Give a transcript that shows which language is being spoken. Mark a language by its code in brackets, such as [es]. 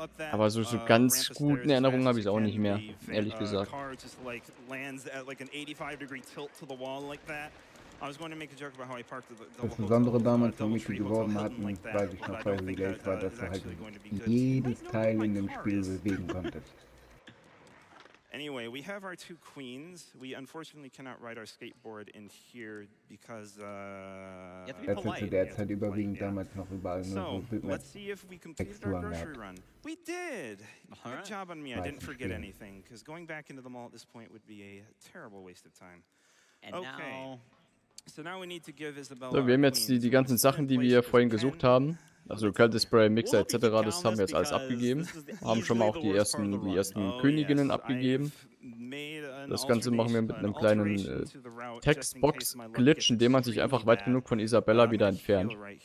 [de] Aber so ganz guten Erinnerungen habe ich es auch nicht mehr, ehrlich gesagt. Das Besondere damals, wo mich geworden hatten, weiß ich noch, weil sie war, dass du halt jedes Teil in dem Spiel bewegen konntest. [en] Anyway, we have our two queens. We unfortunately cannot ride our skateboard in here because, let's see if we completed our grocery run. We did! Good job on me, I didn't forget anything, because going back into the mall at this point would be a terrible waste of time. Okay. So now we need to give Isabella. [de] So, wir haben jetzt die ganzen Sachen, die wir vorhin gesucht haben. Also Kalte Spray, Mixer etc., das haben wir jetzt alles abgegeben. Haben schon mal auch die ersten Königinnen abgegeben. Das Ganze machen wir mit einem kleinen Textbox-Glitch, in dem man sich einfach weit genug von Isabella wieder entfernt.